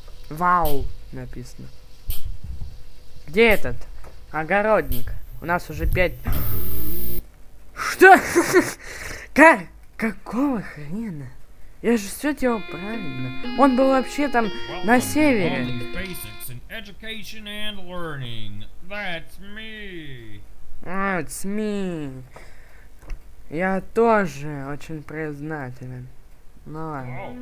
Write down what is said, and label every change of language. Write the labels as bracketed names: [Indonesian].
[Russian] Вау, написано. Где этот огородник? У нас уже 5. Что? Какого хрена? Я же все делал правильно. Он был вообще там на севере. [English] Education and learning. That's me. That's me. [Russian] Я тоже очень признателен. Ну ладно.